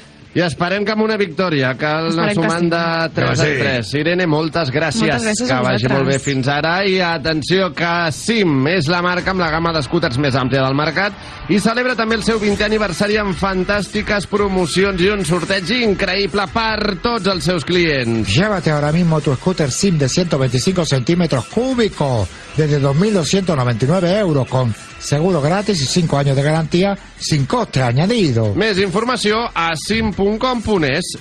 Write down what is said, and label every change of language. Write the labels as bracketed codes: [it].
[ca] I esperem que amb una victòria, que el sumant de 3 en 3. Irene, moltes gràcies. Moltes gràcies. Que vagi molt bé fins ara. I atenció, que Sim és la marca amb la gamma d'escúters més àmplia del mercat i celebra també el seu 20è aniversari amb fantàstiques promocions i un sorteig increïble per tots els seus clients. [es] Llévate ahora mismo tu scooter Sim de 125 centímetros cúbico desde 2.299 euros con seguro gratis y 5 años de garantía sin coste añadido. [ca] Més informació a sim.com.es.